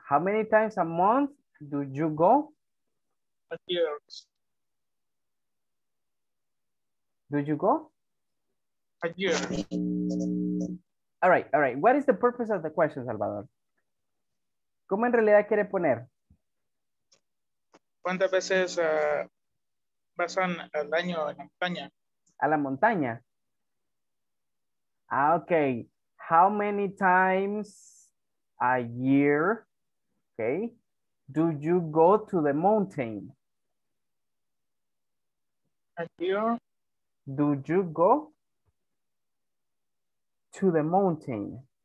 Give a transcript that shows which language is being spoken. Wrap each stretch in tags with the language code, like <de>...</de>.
<en>How many times a month do you go? A year. Do you go? A year. All right, all right. What is the purpose of the question, Salvador?</en> <es>¿Cómo en realidad quiere poner? ¿Cuántas veces vas al año en la montaña? A la montaña. Ah, okay.</es> <en>How many times a year, okay, do you go to the mountain? A year. Do you go to the mountain?</en>